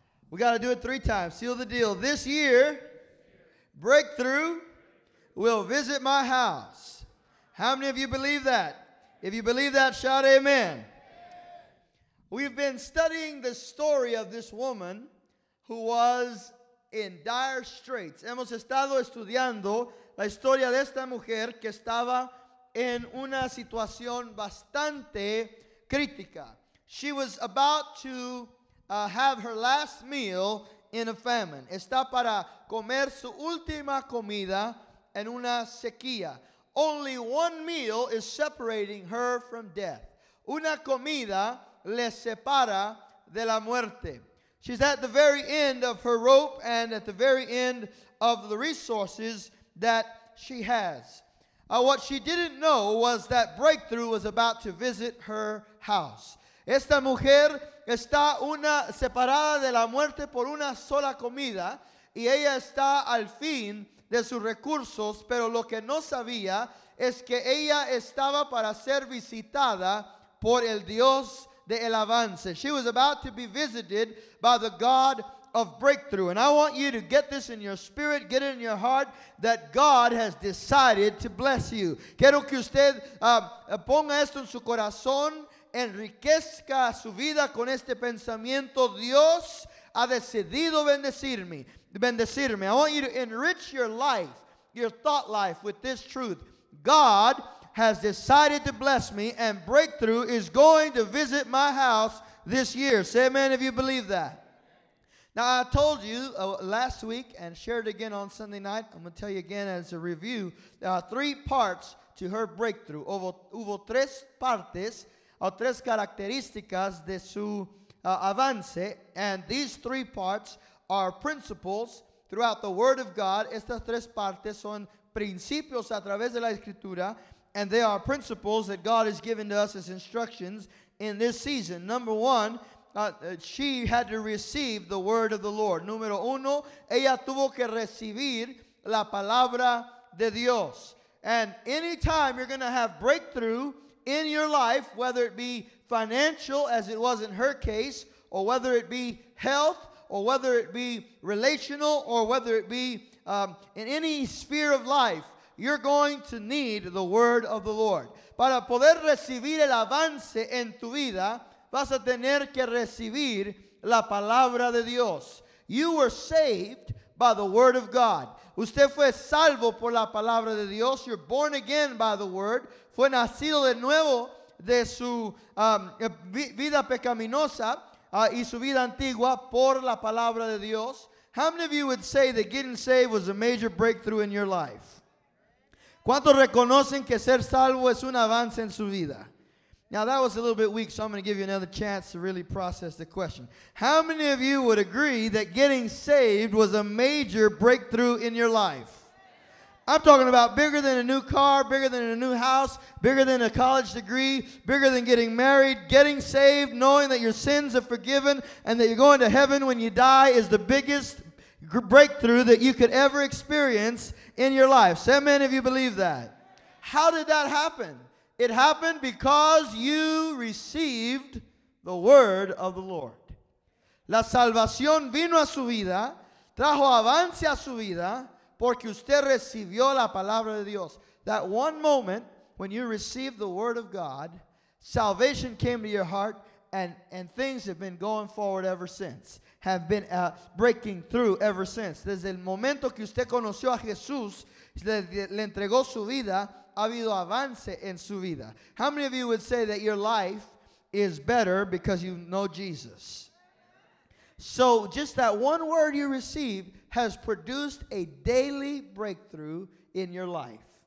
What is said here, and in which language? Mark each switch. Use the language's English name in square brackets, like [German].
[English] We got to do it three times. Seal the deal. This year, breakthrough will visit my house. How many of you believe that? If you believe that, shout amen. We've been studying the story of this woman who was in dire straits. [Spanish] Hemos estado estudiando la historia de esta mujer que estaba en una situación bastante crítica. [English] She was about to have her last meal in a famine. [Spanish] Está para comer su última comida en una sequía. [English] Only one meal is separating her from death. [Spanish] Una comida le separa de la muerte. [English] She's at the very end of her rope and at the very end of the resources that she has. What she didn't know was that breakthrough was about to visit her house. [Spanish] Esta mujer está una separada de la muerte por una sola comida, y ella está al fin de sus recursos, pero lo que no sabía es que ella estaba para ser visitada por el Dios de el avance. [English] She was about to be visited by the God of breakthrough. And I want you to get this in your spirit, get it in your heart, that God has decided to bless you. [Spanish] Quiero que usted ponga esto en su corazón, enriquezca su vida con este pensamiento. Dios ha decidido bendecirme. Bendecirme. [English] I want you to enrich your life, your thought life, with this truth. God has decided to bless me, and breakthrough is going to visit my house this year. Say amen if you believe that. Now, I told you last week and shared again on Sunday night. I'm going to tell you again as a review. There are three parts to her breakthrough. [Spanish] Hubo tres partes o tres características de su avance. [English] And these three parts are principles throughout the Word of God. [Spanish] Estas tres partes son principios a través de la Escritura. [English] And they are principles that God has given to us as instructions in this season. Number one, she had to receive the word of the Lord. [Spanish] Número uno, ella tuvo que recibir la palabra de Dios. [English] And anytime you're going to have breakthrough in your life, whether it be financial, as it was in her case, or whether it be health, or whether it be relational, or whether it be in any sphere of life, you're going to need the word of the Lord. [Spanish] Para poder recibir el avance en tu vida, vas a tener que recibir la palabra de Dios. [English] You were saved by the word of God. [Spanish] Usted fue salvo por la palabra de Dios. [English] You're born again by the word. [Spanish] Fue nacido de nuevo de su vida pecaminosa y su vida antigua por la palabra de Dios. [English] How many of you would say that getting saved was a major breakthrough in your life? [Spanish] ¿Cuántos reconocen que ser salvo es un avance en su vida? [English] Now that was a little bit weak, so I'm going to give you another chance to really process the question. How many of you would agree that getting saved was a major breakthrough in your life? I'm talking about bigger than a new car, bigger than a new house, bigger than a college degree, bigger than getting married. Getting saved, knowing that your sins are forgiven and that you're going to heaven when you die, is the biggest breakthrough that you could ever experience in your life. Say amen if you believe that. How did that happen? It happened because you received the word of the Lord. [Spanish] La salvación vino a su vida, trajo avance a su vida, porque usted recibió la palabra de Dios. [English] That one moment when you received the word of God, salvation came to your heart, and things have been going forward ever since, have been breaking through ever since. [Spanish] Desde el momento que usted conoció a Jesús, le entregó su vida, ha habido avance en su vida. [English] How many of you would say that your life is better because you know Jesus? So just that one word you receive has produced a daily breakthrough in your life.